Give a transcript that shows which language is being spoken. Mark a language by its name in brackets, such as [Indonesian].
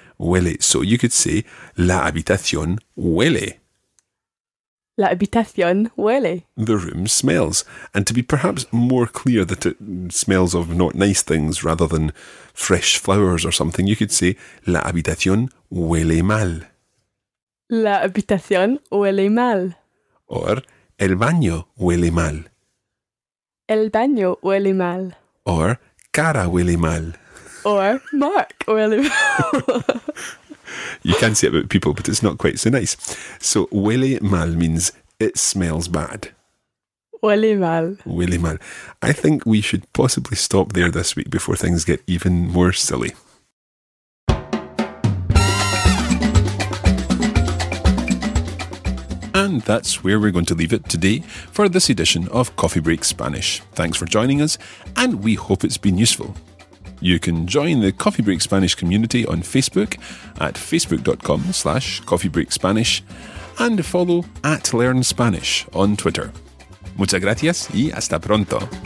[English] Welly. So you could say, [Spanish] la habitación huele. La habitación huele. [English] The room smells. And to be perhaps more clear that it smells of not nice things rather than fresh flowers or something, you could say, [Spanish] la habitación huele mal. La habitación huele mal. Or, el baño huele mal. El baño huele mal. Or, cara huele mal. Or, Mark huele mal. [English] You can say it about people, but it's not quite so nice. So, [Spanish] huele mal [English] means it smells bad. [Spanish] Huele mal. Huele mal. [English] I think we should possibly stop there this week before things get even more silly. And that's where we're going to leave it today for this edition of Coffee Break Spanish. Thanks for joining us, and we hope it's been useful. You can join the Coffee Break Spanish community on Facebook at facebook.com/coffeebreakspanish and follow at Learn Spanish on Twitter. [Spanish] Muchas gracias y hasta pronto.